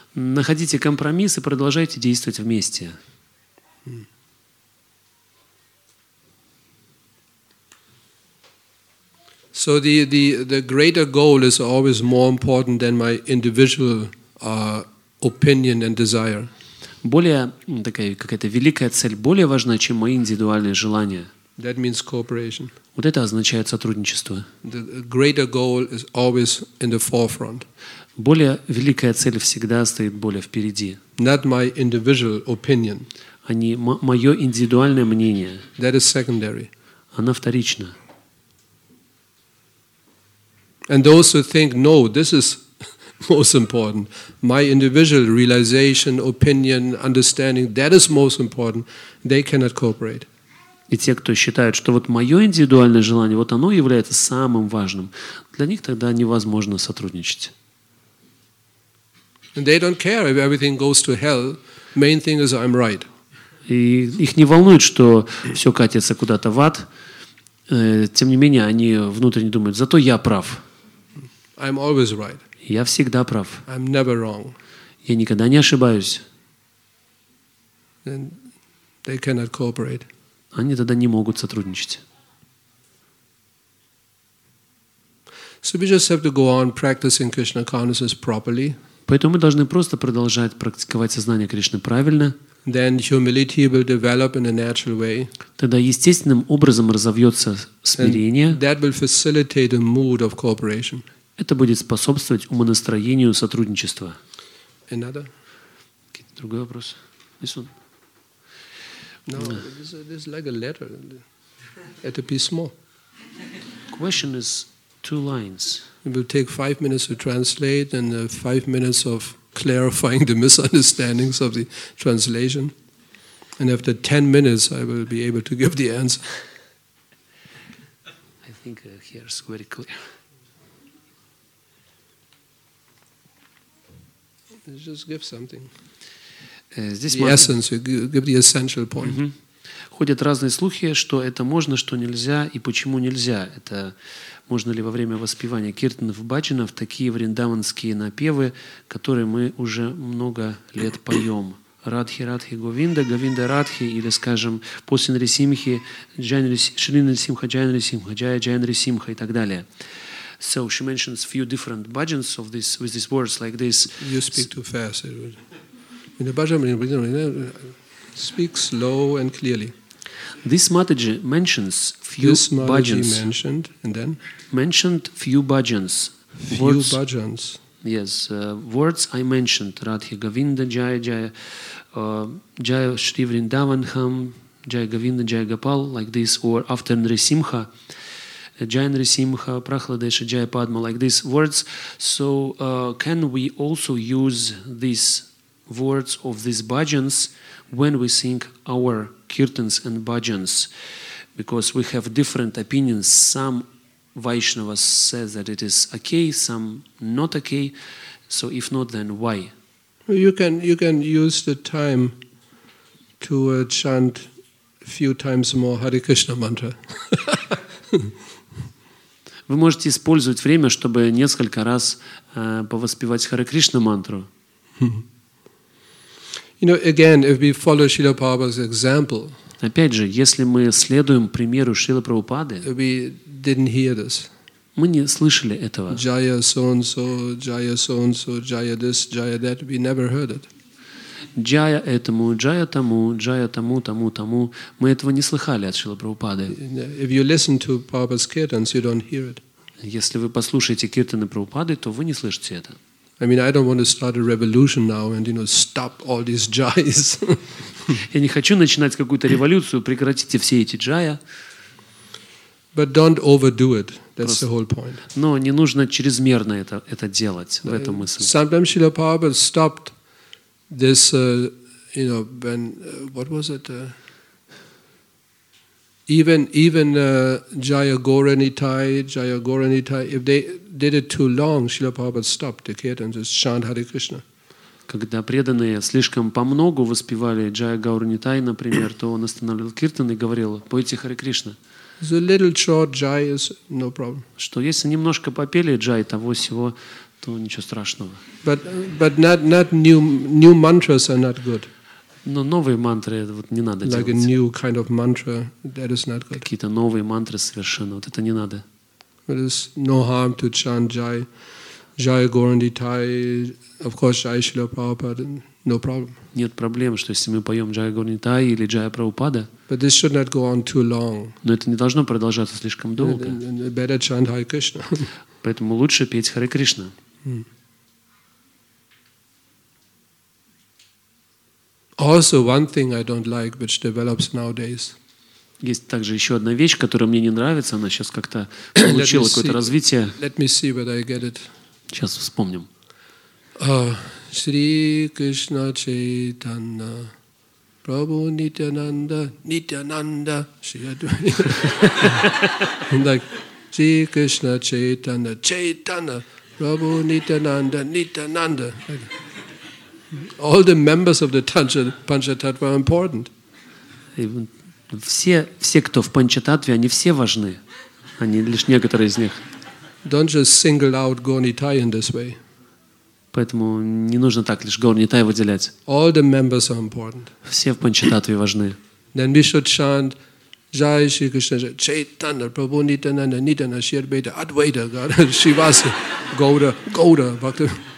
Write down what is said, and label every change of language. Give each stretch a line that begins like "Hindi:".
Russian: Находите компромисс и продолжайте действовать вместе.
English: So the greater goal is always more important than my individual opinion and desire.
Russian: Более такая какая-то великая цель более важна, чем мои индивидуальные желания.
English: That means cooperation.
Russian: Вот это означает сотрудничество.
English: The greater goal is always in the forefront.
Russian: Более великая цель всегда стоит более впереди.
English: Not my individual opinion.
Russian: А не мое индивидуальное мнение.
English: That is secondary.
Russian: Она вторична.
English: And those who think, no, this is most important, my individual realization, opinion, understanding, that is most important, they cannot cooperate.
Russian: И те, кто считают, что вот мое индивидуальное желание, вот оно является самым важным, для них тогда невозможно сотрудничать. И их не волнует, что все катится куда-то в ад. Тем не менее, они внутренне думают, зато я прав.
English: I'm always right.
Russian: Я всегда прав.
English: I'm never wrong.
Russian: Я никогда не ошибаюсь.
English: And they cannot cooperate.
Russian: Они тогда не могут сотрудничать.
English: So we just have to go on practicing Krishna consciousness properly.
Russian: Поэтому мы должны просто продолжать практиковать сознание Кришны правильно.
English: Then humility will develop in a natural way.
Russian: Тогда естественным образом разовьется смирение.
English: And that will facilitate the mood of cooperation.
Russian: Это будет способствовать умонастроению сотрудничества.
English: Another?
Russian: Какой-то другой вопрос?
English: This one? No, this is like a letter.
Russian: Это письмо.
English: Question is two lines. It will take 5 minutes to translate and 5 minutes of clarifying the misunderstandings of the translation. And after 10 minutes, I will be able to give the answer. I think here is very clear. Just give something.
Russian: Здесь
English: the essence, give the essential point.
Russian: Ходят разные слухи, что это можно, что нельзя, и почему нельзя. Это можно ли во время воспевания киртанов, баджанов, такие вриндаванские напевы, которые мы уже много лет поем. Радхи, Радхи, Говинда, Говинда, Радхи, или, скажем, после Нарисимхи, Шрина Нарисимха, Джая Нарисимха, Джая, Джая Нарисимха и так далее.
English: So she mentions a few different bhajans of this with these words like this. You speak too fast. In the bhajan, speak slow and clearly. This Mataji mentions few this Mataji bhajans. Mentioned and then mentioned few bhajans. Few words, bhajans. Yes, words I mentioned: Radhe Govinda, Jaya Jaya, Jaya Shri Vrindavanham, Jaya Govinda, Jaya Gopal, like this, or after Nrisimha. Jaya Nrisimha, Prahladesha, Jaya Padma, like these words. So can we also use these words of these bhajans when we sing our kirtans and bhajans? Because we have different opinions. Some Vaishnavas say that it is okay, some not okay. So if not, then why? You can use the time to chant a few times more Hare Krishna mantra.
Russian: Вы можете использовать время, чтобы несколько раз повоспевать Харе Кришна мантру.
English: You know, again, if we follow Srila Prabhupada's example.
Russian: Опять же, если мы следуем примеру Шрилы Прабхупады.
English: We didn't hear this.
Russian: Мы не слышали этого.
English: Jaya so-and-so, Jaya so-and-so, Jaya this, Jaya that. We never heard it.
Russian: Джая этому, джая тому, джая тому, тому, тому. Мы этого не слыхали от Шрилы Прабхупады.
English: If you listen to Prabhupada's kirtans, you don't hear it.
Russian: Если вы послушаете киртаны Прабхупады, то вы не слышите это.
English: I mean, I don't want to start a revolution now and, you know, stop all these jais.
Russian: Я не хочу начинать какую-то революцию, прекратите все эти джая.
English: But don't overdo it. That's
Russian: просто
English: the whole point.
Russian: Но не нужно чрезмерно это делать, в этом мысль.
English: Sometimes Srila Prabhupada stopped this, you know, when what was it? Jaya Gauranitai, Jaya Gauranitai. If they did it too long, Srila Prabhupada stopped the kirtan and just chant Hare Krishna.
Russian: Когда преданные слишком помногу воспевали Джая Гаур Нитай, например, то он останавливал киртан и говорил: «Пойте Харе Кришна».
English: The little short jai is no problem.
Russian: Что если немножко попели джай того всего, то ничего страшного.
English: But not new mantras are not good.
Russian: Но новые мантры вот не надо
English: like
Russian: делать.
English: A new kind of mantra, that is not good.
Russian: Какие-то новые мантры совершенно, вот это не надо.
English: But it's no harm to chant jai, jai Gauranitai, of course jai Srila Prabhupada, no problem.
Russian: Нет проблем, что если мы поем джай Гауранитай или джай Прабхупада.
English: But this should not go on too long.
Russian: Но это не должно продолжаться слишком долго.
English: Better chant Hare Krishna.
Russian: Поэтому лучше петь Харе Кришна.
English: Also one thing I don't like, which develops nowadays.
Russian: Есть также еще одна вещь, которая мне не нравится, она сейчас как-то получила какое-то развитие.
English: Let me see whether I get it.
Russian: Сейчас вспомним. Шри Кришна Чайтанна Прабху Нитянанда Нитянанда Шри Адвайта. Шри Кришна Чайтанна Чайтанна Прабху Нитянанда Нитянанда.
English: All the members of the Panchatattva are important.
Russian: Все, кто в Панчататве, они все важны. Они лишь некоторые из них.
English: Don't just single out Gaur Nitai in this way.
Russian: Поэтому не нужно так лишь Гаур Нитай выделять.
English: All the members are important.
Russian: Все в Панчататве важны.
English: Then we should chant Jai Shri Krishna Chaitanya Prabhu Nityananda Nityananda Shri Advaita Advaita Shivasa Gaura Gaura Bhakti.